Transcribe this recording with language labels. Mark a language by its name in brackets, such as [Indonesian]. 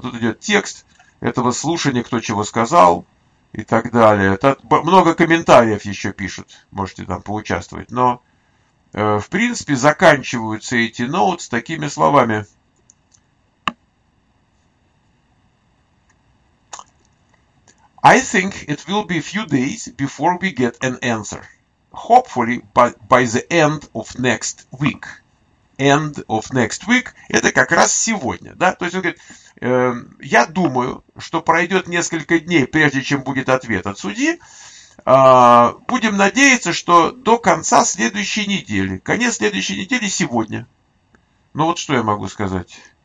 [Russian] Тут идет текст этого слушания, кто чего сказал и так далее. Тут много комментариев еще пишут, можете там поучаствовать. Но, в принципе, заканчиваются эти ноут с такими словами. [English] I think it will be a few days before we get an answer. Hopefully, by the end of next week. End of next week [Russian] – это как раз сегодня. Да? То есть он говорит, я думаю, что пройдет несколько дней, прежде чем будет ответ от судьи. Будем надеяться, что до конца следующей недели. Конец следующей недели – сегодня. Ну вот что я могу сказать.